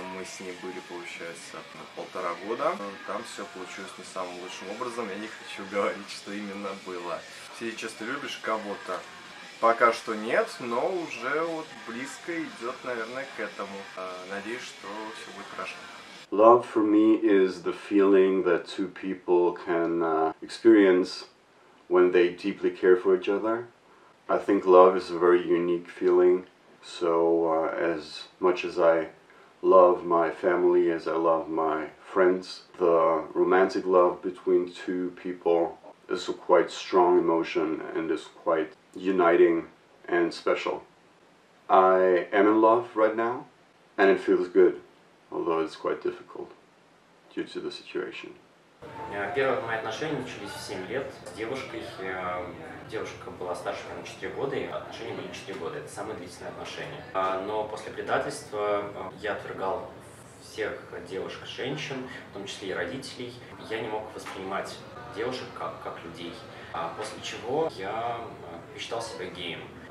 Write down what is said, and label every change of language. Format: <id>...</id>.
<ru>Мы с ней были, получается, на 1.5 года. Там все получилось не самым лучшим образом. Я не хочу говорить, что именно было. Все часто любишь кого-то. Пока что нет, но уже вот близко идет, наверное, к этому. Надеюсь, что все будет хорошо.</ru> <en>Love for me is the feeling that two people can experience when they deeply care for each other. I think love is a very unique feeling. So as much as I love my family, as I love my friends, the romantic love between two people is a quite strong emotion and is quite uniting and special. I am in love right now and it feels good. Although it's quite difficult due to the situation.</en> <ru>Во-первых, мои отношения начались в 7 лет с девушкой. Девушка была старше меня на 4 года, и отношения были 4 года. Это самые длительные отношения. Но после предательства я отвергал всех девушек и женщин, в том числе и родителей. Я не мог воспринимать девушек как людей. После чего я считал себя геем.</ru>